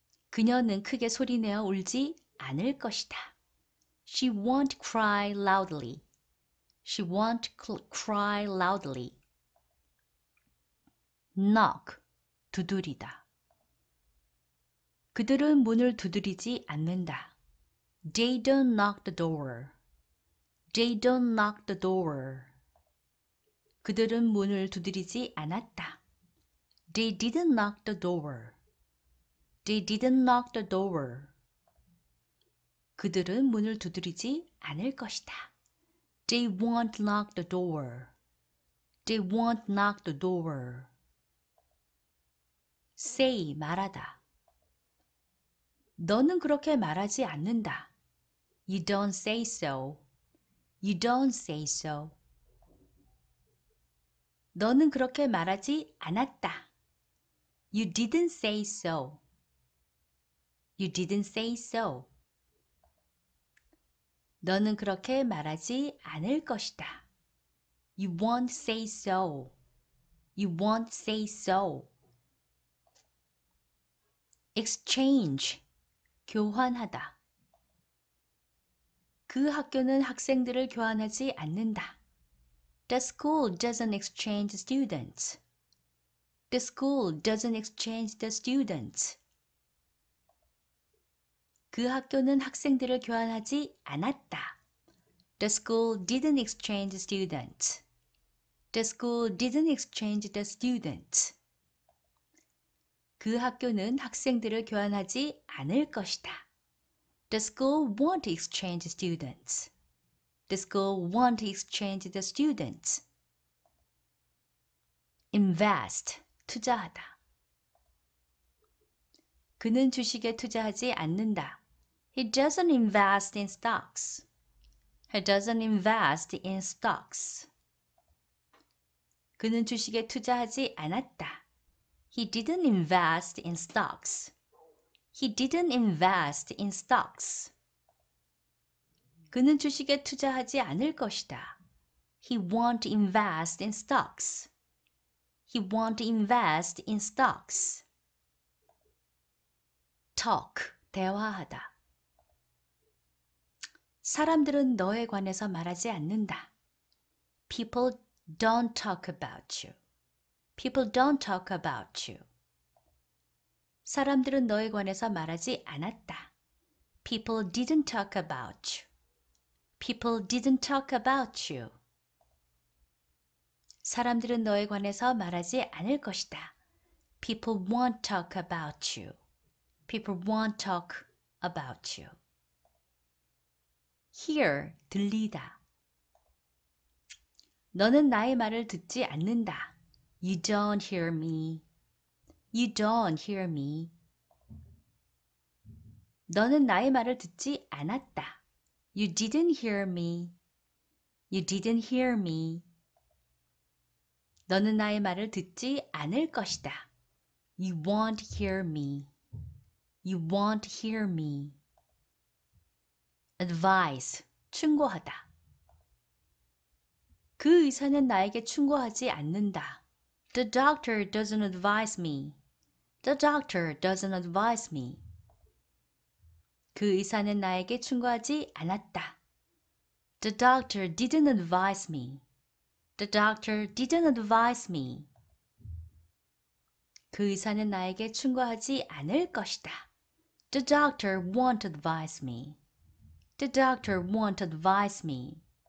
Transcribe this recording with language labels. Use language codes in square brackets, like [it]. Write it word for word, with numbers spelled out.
[ko] 그녀는 크게 소리내어 울지 않을 것이다. [en] She won't cry loudly. She won't cl- cry loudly. Knock. 두드리다. [ko] 그들은 문을 두드리지 않는다. [en] They don't knock the door. They don't knock the door. [ko] 그들은 문을 두드리지 않았다. [en] They didn't knock the door. They didn't knock the door. [ko] 그들은 문을 두드리지 않을 것이다. [en] They won't knock the door. They won't knock the door. Say, 말하다. [ko] 너는 그렇게 말하지 않는다. [en] You don't say so. You don't say so. [ko] 너는 그렇게 말하지 않았다. [en] You didn't say so. You didn't say so. [ko] 너는 그렇게 말하지 않을 것이다. [en] You won't say so. You won't say so. Exchange. 교환하다. [ko] 그 학교는 학생들을 교환하지 않는다. [en] The school doesn't exchange students. The school doesn't exchange the students. [ko] 그 학교는 학생들을 교환하지 않았다. [en] The school didn't exchange students. The school didn't exchange the students. [ko] 그 학교는 학생들을 교환하지 않을 것이다. [en] The school won't exchange students. The school won't exchange the students. Invest, 투자하다. [ko] 그는 주식에 투자하지 않는다. [en] He doesn't invest in stocks. He doesn't invest in stocks. [ko] 그는 주식에 투자하지 않았다. [en] He didn't invest in stocks. He didn't invest in stocks. [ko] 그는 주식에 투자하지 않을 것이다. [en] He won't invest in stocks. He won't invest in stocks. Talk, 대화하다. [ko] 사람들은 너에 관해서 말하지 않는다. [en] People don't talk about you. People don't talk about you. [ko] 사람들은 너에 관해서 말하지 않았다. [en] People didn't talk about you. People didn't talk about you. [ko] 사람들은 너에 관해서 말하지 않을 것이다. [en] People won't talk about you. People won't talk about you. Hear, 들리다. [ko] 너는 나의 말을 듣지 않는다. [en] You don't hear me. You don't hear me. [ko] 너는 나의 말을 듣지 않았다. [en] You didn't hear me. You didn't hear me. [ko] 너는 나의 말을 듣지 않을 것이다. [en] You won't hear me. You won't hear me. Advise. 충고하다. [ko] 그 의사는 나에게 충고하지 않는다. [en] The doctor doesn't advise me. The doctor doesn't advise me. [ko] 그 의사는 나에게 충고하지 않았다. [en] The doctor didn't advise me. The doctor didn't advise me. [ko] 그 의사는 나에게 충고하지 않을 것이다. [en] The doctor won't advise me. The doctor won't advise me.